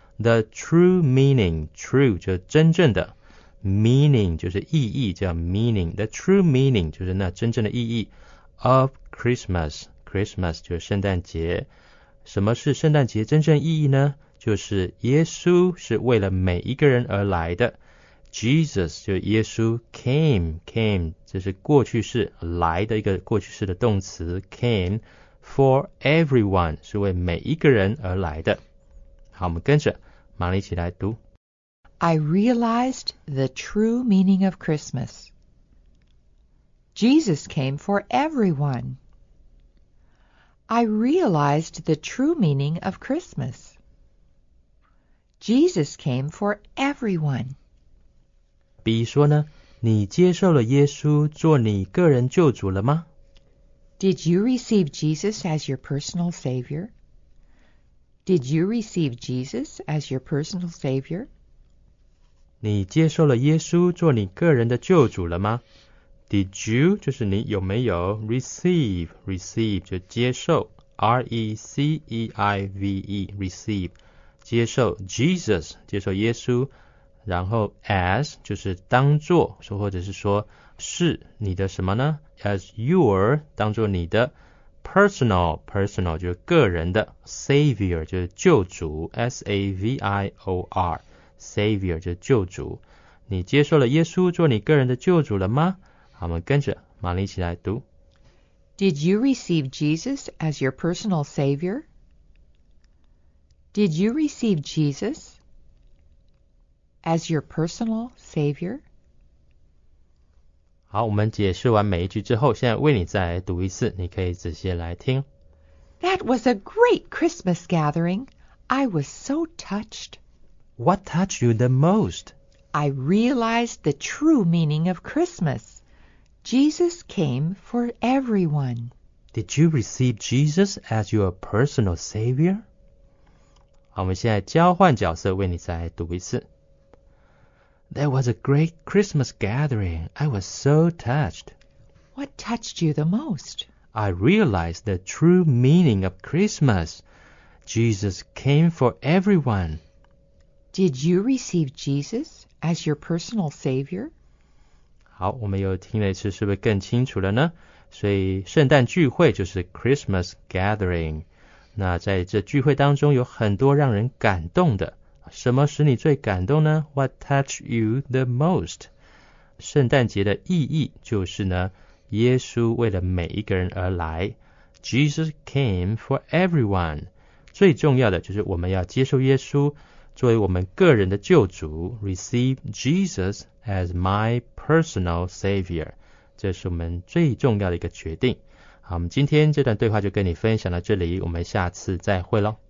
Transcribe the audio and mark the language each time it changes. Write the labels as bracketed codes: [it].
[en] The true meaning, [zh] true 就是真正的 meaning 就是意义叫 meaning, the true meaning 就是那真正的意义 of Christmas, Christmas 就是圣诞节。什么是圣诞节真正意义呢？就是耶稣是为了每一个人而来的。 Jesus 就是耶稣 came 这是过去式来的一个过去式的动词 [en] came for everyone [zh] 是为每一个人而来的。好，我们跟着玛丽一起来读。 [en] I realized the true meaning of Christmas. Jesus came for everyone. I realized the true meaning of Christmas. Jesus came for everyone. [zh] B 说呢，你接受了耶稣做你个人救主了吗？ [en] Did you receive Jesus as your personal savior? Did you receive Jesus as your personal savior? [zh] 你接受了耶稣做你个人的救主了吗？ [en] Did you, [zh] 就是你有没有 receive 就接受 receive, receive, 接受 Jesus, 接受耶稣，然后 as, 就是当作，或者是说是你的什么呢？ [en] As your, [zh] 当作你的Personal 就是个人的 Savior 就是救主 S-A-V-I-O-R Savior 就是救主你接受了耶稣做你个人的救主了吗好我们跟着玛丽一起来读 [en] Did you receive Jesus as your personal Savior? Did you receive Jesus as your personal Savior? [zh] 好，我们解释完每一句之后，现在为你再来读一次，你可以仔细来听。 [en] That was a great Christmas gathering. I was so touched. What touched you the most? I realized the true meaning of Christmas. Jesus came for everyone. Did you receive Jesus as your personal savior? [zh] 好，我们现在交换角色，为你再来读一次。 [en] There was a great Christmas gathering. I was so touched. What touched you the most? I realized the true meaning of Christmas. Jesus came for everyone. Did you receive Jesus as your personal savior? [zh] 好，我们又听了一次，是不是更清楚了呢？所以圣诞聚会就是 [en] Christmas gathering. [zh] 那在这聚会当中有很多让人感动的。什么使你最感动呢 [en] What touched you the most? [zh] 圣诞节的意义就是呢耶稣为了每一个人而来 [en] Jesus came for everyone [zh] 最重要的就是我们要接受耶稣作为我们个人的救主 [en] Receive Jesus as my personal savior [zh] 这是我们最重要的一个决定好我们今天这段对话就跟你分享到这里我们下次再会咯